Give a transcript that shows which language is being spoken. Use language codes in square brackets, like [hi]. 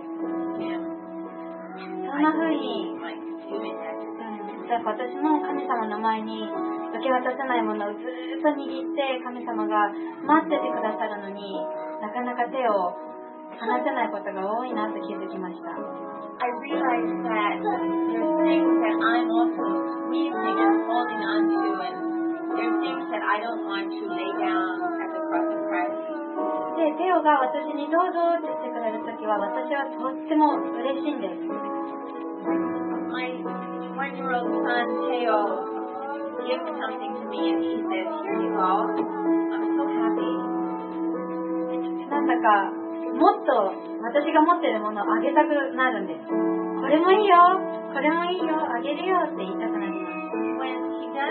[ja] そんな風に、私も神様の前に受け渡せないものをずっと握って神様が待っててくださるのに、なかなか手を話せないことが多いなと気づきました。 [en] I realize that there's things that I'm also needing and holding on to, and there's things that I don't want to lay down at the cross of Christ. [ja] で、テオが私にどうぞって言ってくれるときは私はとっても嬉しいんです。 [en] My one-year-old son, Teo, gives something to me and he says, "Here you go." I'm so happy. [ja] なんだかもっと私が持っているものをあげたくなるんです。これもいいよ、これもいいよ、あげるよって言いたくなります。